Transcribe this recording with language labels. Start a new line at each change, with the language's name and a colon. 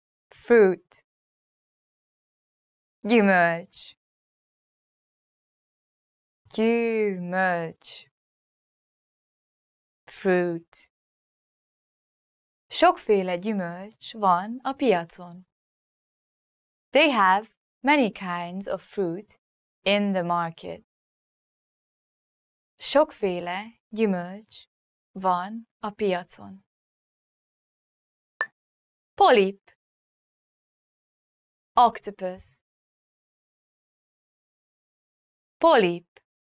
English: Fruit.
Hungarian: Gyümölcs. Gyümölcs.
English: Fruit.
Hungarian: Sokféle gyümölcs van a piacon.
English: They have many kinds of fruit in the market.
Hungarian: Sokféle gyümölcs van a piacon. Polip.
English: Octopus.
Hungarian: Polip.